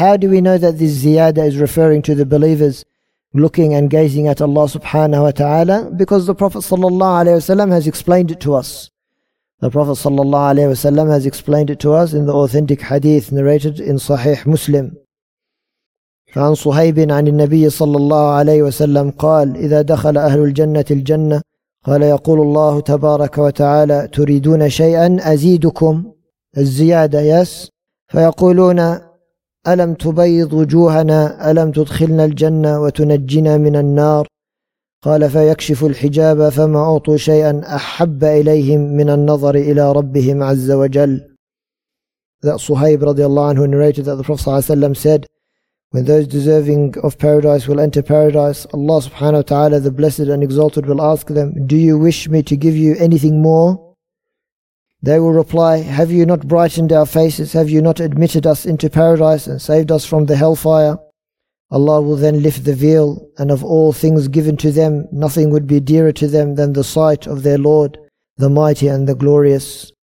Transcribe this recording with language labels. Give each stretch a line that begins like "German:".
English: How do we know that this ziyadah is referring to the believers looking and gazing at Allah subhanahu wa ta'ala? Because the Prophet sallallahu alayhi wa sallam has explained it to us. The Prophet sallallahu alayhi wa sallam has explained it to us in the authentic hadith narrated in Sahih Muslim.
Arabic: فَعَنْ صُهَيْبٍ عَنِ النَّبِيِّ sallallahu alayhi wa sallam قَالْ إِذَا دَخَلَ أَهْلُ الْجَنَّةِ الْجَنَّةِ قال يقول الله تبارك وتعالى تريدون شيئا أزيدكم الزيادة yes فيقولون ألم تبيض وجوهنا ألم تدخلنا الجنة وتنجينا من النار قال فيكشف الحجاب فما أعطوا شيئا أحب إليهم من النظر إلى ربهم عز وجل
English: that Suhaib
Arabic: رضي الله عنه
English: narrated that the Prophet
Arabic: صلى الله عليه وسلم
English: said When those deserving of paradise will enter paradise, Allah subhanahu wa ta'ala, the blessed and exalted, will ask them, Do you wish me to give you anything more? They will reply, Have you not brightened our faces? Have you not admitted us into paradise and saved us from the hellfire? Allah will then lift the veil, and of all things given to them, nothing would be dearer to them than the sight of their Lord, the mighty and the glorious.